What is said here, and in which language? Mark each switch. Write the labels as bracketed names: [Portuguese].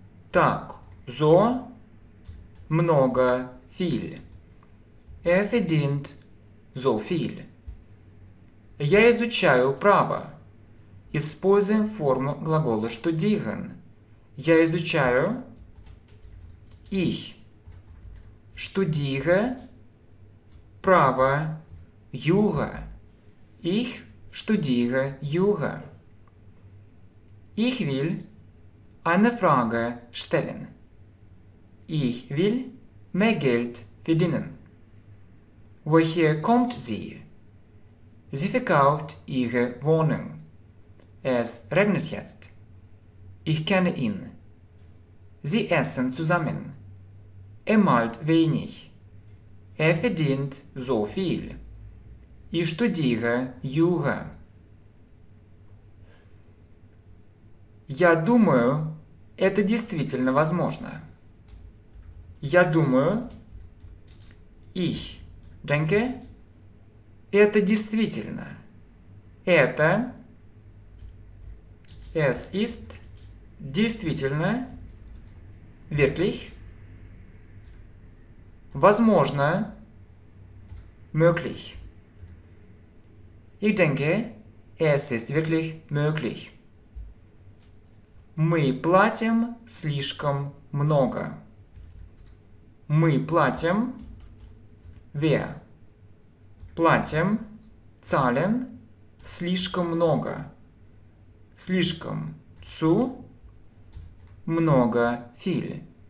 [Russian] Так. [German] So [Russian] много, [German] viel. Er verdient so viel. [Russian] Я изучаю право. Используем форму глагола studieren. Я изучаю. [German] Ich studiere [Russian] право. [German] Юга. Ich studiere Jura. Ich will eine Frage stellen. Ich will mehr Geld verdienen. Woher kommt sie? Sie verkauft ihre Wohnung. Es regnet jetzt. Ich kenne ihn. Sie essen zusammen. Er malt wenig. Er verdient so viel. [Russian] И студия юга. Я думаю, это действительно возможно. Я думаю, [German] ich denke, [Russian] это действительно. Это, [German] es ist, [Russian] действительно, [German] wirklich, [Russian] возможно, [German] möglich. Ich denke, es ist wirklich möglich. [Russian] Мы платим слишком много. Мы платим. [German] Wir [Russian] платим, [German] zahlen, [Russian] слишком много. Слишком, [German] zu, [Russian] много, [German] viel.